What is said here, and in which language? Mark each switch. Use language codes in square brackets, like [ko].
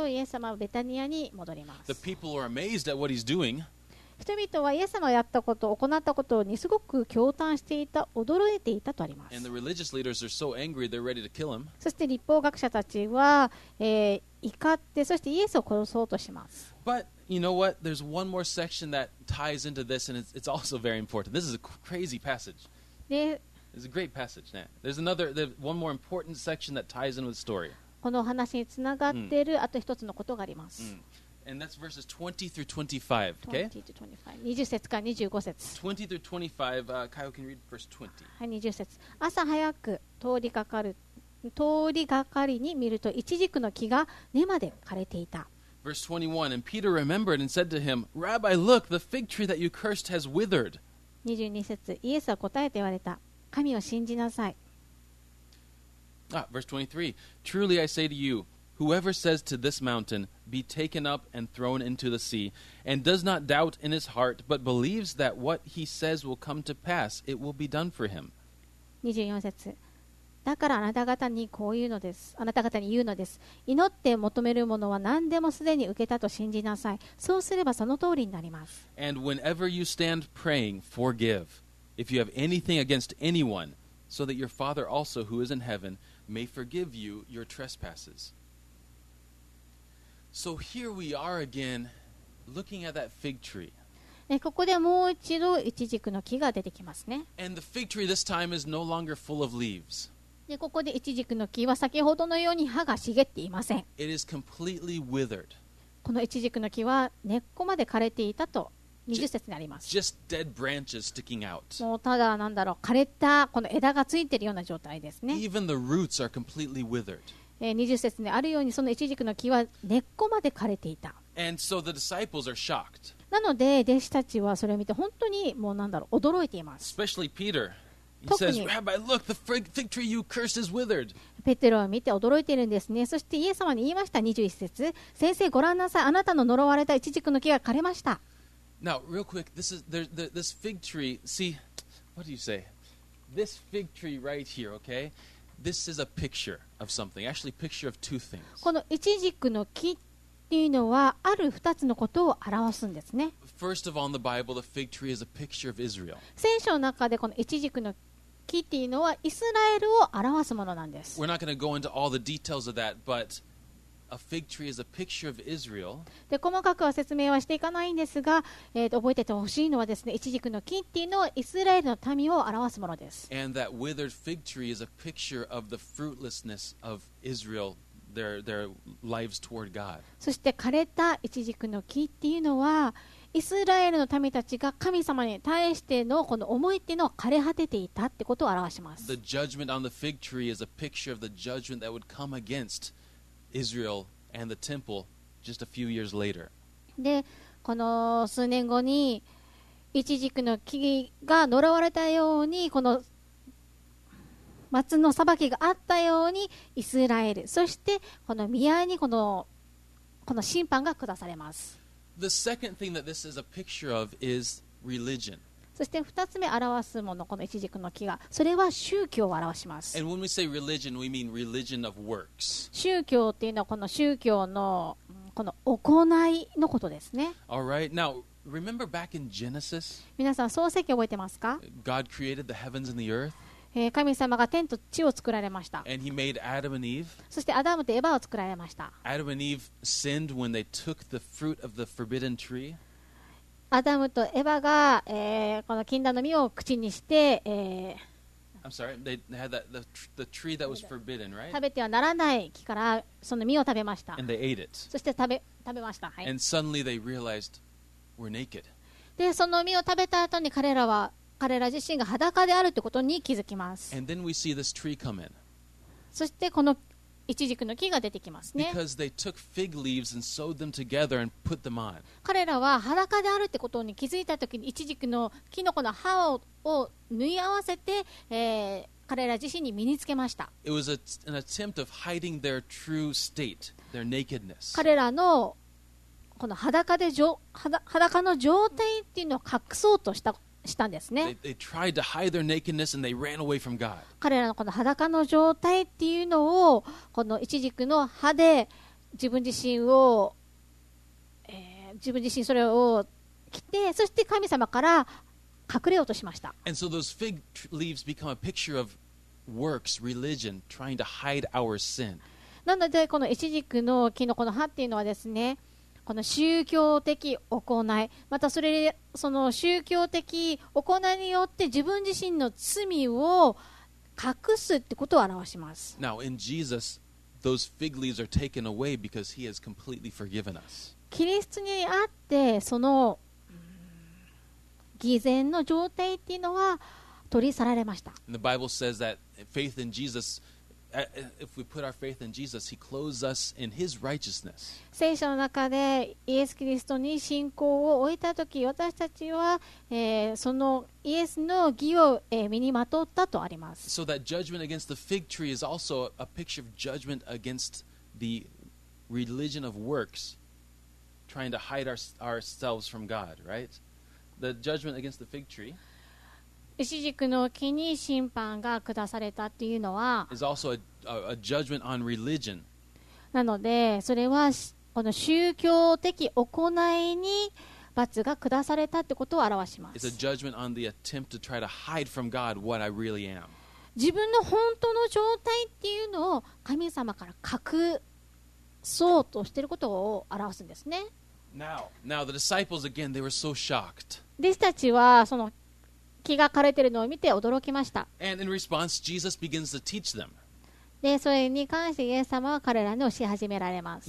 [en] The people are amazed at what he's doing. [ja] 人々はイエス様がやったこと、行ったことにすごく驚嘆していた、驚いていたとあります。 [en] And the religious leaders are so angry, they're ready to kill him. [ja] そして律法学者たちは、怒って、そしてイエスを殺そうとします。 [en] But you know what? There's one more section that ties into this, and it's also very important. This is a crazy passage. It's a great passage, man. There's another, one more important section that ties in with the story. [ja] この話につながっている、あと一つのことがあります。 [en] And that's verses 20 through 25, okay? 20 to 25. [ja] 20節から25節。 [en] 20 through 25, Kyle can read verse 20. [ja] はい、20節。朝早く通りがかりに見ると、イチジクの木が根まで枯れていた。 [en] Verse 21, and Peter remembered and said to him, Rabbi, look, the fig tree that you cursed has withered. [ja] 22節、イエスは答えて言われた。神を信じなさい。 [en] Verse 23, truly I say to you, whoever says to this mountain, be taken up and thrown into the sea, and does not doubt in his heart, but believes that what he says will come to pass, it will be done for him. [ja] 24節、だからあなた方にこう言うのです。あなた方に言うのです。祈って求めるものは何でもすでに受けたと信じなさい。そうすればその通りになります。 [en] And whenever you stand praying, forgive. If you have anything against anyone, so that your Father also who is in heaven may forgive you your trespasses. So here we are again, looking at that fig tree. [ja] ここでもう一度イチジクの木が出てきますね。 [en] And the fig tree this time is no longer full of leaves. [ja] でここでイチジクの木は先ほどのように葉が茂っていません。 [en] It is completely withered. [ja] このイチジクの木は根っこまで枯れていたと20節にあります。 [en] just dead branches sticking out. [ja] もうただ何だろう、枯れたこの枝がついているような状態ですね。 [en] Even the roots are completely withered. [ja] 20節にあるようにそのイチジクの木は根っこまで枯れていた。 [en] And so the disciples are shocked. [ja] なので弟子たちはそれを見て本当にもう何だろう、驚いています。 [en] Especially Peter. says, Rabbi, look, the fig tree you cursed is withered. [ja] ペテロを見て驚いているんですね。そしてイエス様に言いました。21節、先生ご覧なさい、あなたの呪われたイチジクの木が枯れました。 [en] Now, real quick, this fig tree, see, what do you say? This fig tree right here, okay? This is a picture of something, actually a picture of two things. [ja] このイチジクの木というのはある二つのことを表すんですね。 [en] First of all, in the Bible, the fig tree is a picture of Israel. [ja] 聖書の中でこのイチジクの木っていうのはイスラエルを表すものなんです。 [en] We're not going to go into all the details of that, but a fig tree is a picture of Israel. [ja] で、細かくは説明はしていかないんですが、覚えててほしいのはですね、イチジクの木っていうのはイスラエルの民を表すものです。 [en] And that withered fig tree is a picture of the fruitlessness of Israel. Their lives toward God. [ja] そして枯れたイチジクの木っていうのはイスラエルの民たちが神様に対して の, この思いっていうのを枯れ果てていたってことを表します。 [en] The judgment on the fig tree is a picture of the judgment that would come against Israel and the temple just a few years later. [ja] で、この数年後にイチジクの木が呪われたようにこの松の裁きがあったようにイスラエル、そしてこの宮にこの審判が下されます。 [en] The second thing that this is a picture of is religion. [ja] そして2つ目表すもの、このイチジクの木が、それは宗教を表します。 [en] And when we say religion, we mean religion of works. [ja] 宗教っていうのはこの宗教のこの行いのことですね。 [en] All right, now remember back in Genesis? [ja] 皆さん創世記覚えてますか? [en] God created the heavens and the earth. [ja] 神様が天と地を作られました。 [en] And he made Adam and Eve. [ja] そしてアダムとエバを作られました。 [en] Adam and Eve sinned when they took the fruit of the forbidden tree. [ja] アダムとエバが、この禁断の実を口にして、 [en] I'm sorry, they had that, the tree that was forbidden, right? [ja] 食べてはならない木からその実を食べました。 [en] And they ate it. [ja] そして食べました。はい。 [en] And suddenly they realized we're naked. [ja] で、その実を食べた後に彼ら自身が裸であるということに気づきます。 [en] And then we see this tree come in. [ja] そしてこのイチジクの木が出てきますね。 [en] Because they took fig leaves and sewed them together and put them on. [ja] 彼らは裸であるということに気づいたときにイチジクの木のこの葉を縫い合わせて、彼ら自身に身につけました。 [en] It was an attempt of hiding their true state, their nakedness. [ja] 彼らのこの裸の状態っていうのを隠そうとしたしたんですね。 [en] they tried to hide their nakedness and they ran away from God. [ja] 彼らのこの裸の状態っていうのをこのイチジクの葉で自分自身を、自分自身それを着て、そして神様から隠れようとしました。 [en] And so those fig leaves become a picture of works, religion, trying to hide our sin. [ja] なのでこのイチジクの木のこの葉っていうのはですね、この宗教的行い、またそれその宗教的行いによって自分自身の罪を隠すってことを表します。 [en] Now in Jesus, those fig leaves are taken away because he has completely forgiven us. [ja] キリストにあってその偽善の状態っていうのは取り去られました。 [en] And the Bible says that faith in JesusIf we put our faith in Jesus, He clothes us in His righteousness. [ja] 聖書の中でイエス・キリストに信仰を置いたとき、私たちは、そのイエスの義を、身にまとったとあります。 [en] So that judgment against the fig tree is also a picture of judgment against the religion of works, trying to hide ourselves from God, right? The judgment against the fig tree. [ja] イチジクの木に審判が下されたっていうのは、 [en] a judgment on religion. [ja] なのでそれはこの宗教的行いに罰が下されたってことを表します。 [en] It's a judgment on the attempt to try to hide from God what I really am. [ja] 自分の本当の状態っていうのを神様から隠そうとしていることを表すんですね。 [en] Now the disciples again, they were so shocked. [ja] 弟子たちはその木が枯れているのを見て驚きました。 [en] And in response, Jesus begins to teach them. [ja] でそれに関してイエス様は彼らに教え始められます。